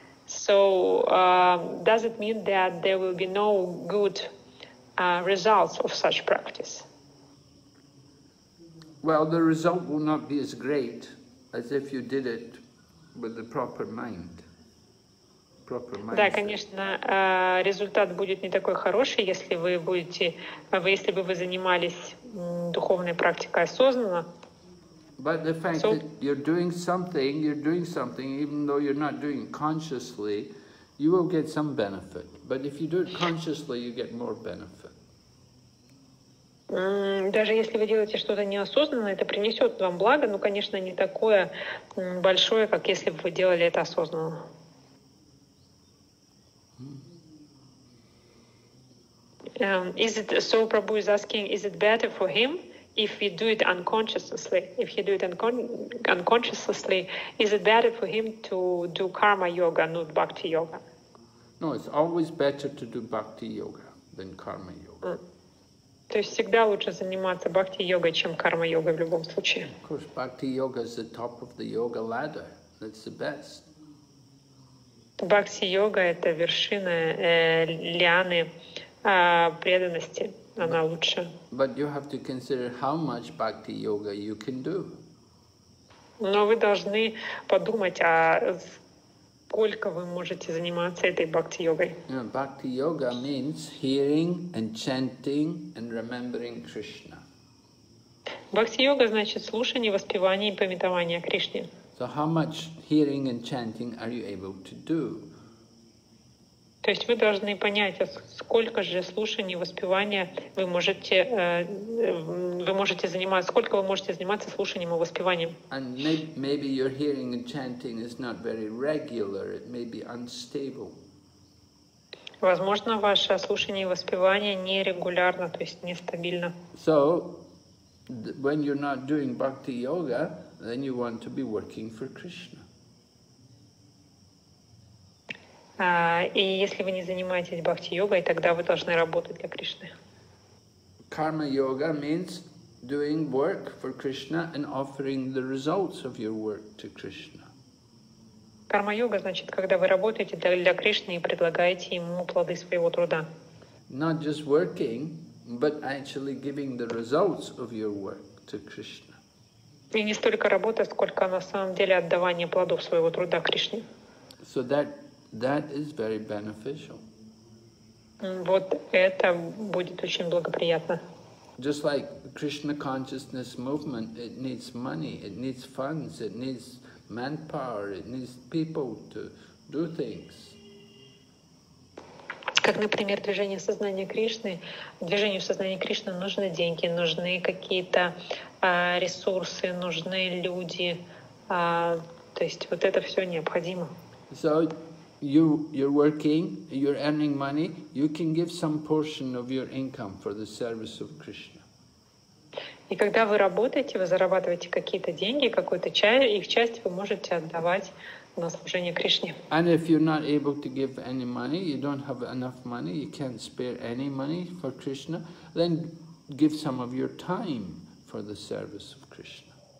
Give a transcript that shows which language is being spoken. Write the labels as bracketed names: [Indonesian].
[English] So does it mean that there will be no good results of such practice? Well, the result will not be as great as if you did it with the proper mind. Proper mindset. [Russian] Да, конечно, результат будет не такой хороший, если бы вы занимались духовной практикой осознанно. [English] But the fact that you're doing something, even though you're not doing it consciously, you will get some benefit. But if you do it consciously, you get more benefit. [Russian] Даже если вы делаете что-то неосознанно, это принесет вам благо, но, конечно, не такое большое, как если бы вы делали это осознанно. [English] is it, so Prabhu is asking, is it better for him if we do it unconsciously? If he do it unconsciously, is it better for him to do karma yoga, not bhakti yoga? No, it's always better to do bhakti yoga than karma yoga. [Russian] То есть всегда лучше заниматься бхакти йогой, чем карма йогой в любом случае. [English] Of course, bhakti yoga is the top of the yoga ladder. That's the best. [Russian] Бхакти йога это вершина лианы преданности, она лучше. [English] But you have to consider how much bhakti yoga you can do. [Russian] Но вы должны подумать, а сколько вы можете заниматься этой бхакти йогой? [English] You know, bhakti yoga means hearing and chanting and remembering Krishna. [Russian] Бхакти йога значит слушание, воспевание и памятование Кришне. [English] So how much hearing and chanting are you able to do? [Russian] То есть вы должны понять, сколько же слушаний, воспевания вы можете заниматься, сколько вы можете заниматься слушанием и воспеванием. [English] And maybe your hearing and chanting is not very regular, it may be unstable. [Russian] Возможно, ваше слушание и воспевание нерегулярно, то есть нестабильно. [English] So when you're not doing bhakti yoga, then you want to be working for Krishna. [Russian] И если вы не занимаетесь бхакти-йогой, тогда вы должны работать для Кришны. [English] Карма-йога means doing work for Krishna and offering the results of your work to Krishna. [Russian] Карма-йога значит, когда вы работаете для Кришны и предлагаете ему плоды своего труда. [English] Not just working, but actually giving the results of your work to Krishna. [Russian] И не столько работа, сколько на самом деле отдавание плодов своего труда Кришне. [English] So that is very beneficial. [Russian] Вот это будет очень благоприятно. [English] Just like Krishna consciousness movement, it needs money, it needs funds, it needs manpower, it needs people to do things. [Russian] Как, например, движение сознания Кришны. Движению сознания Кришны нужны деньги, нужны какие-то ресурсы, нужны люди. То есть вот это все необходимо. [English] You're working, you're earning money, you can give some portion of your income for the service of Krishna. [Russian] И когда вы работаете, вы зарабатываете какие-то деньги, какую-то часть, их часть вы можете отдавать на служение Кришне. [English] And if you're not able to give any money, you don't have enough money, you can't spare any money for Krishna, then give some of your time for the service of Krishna.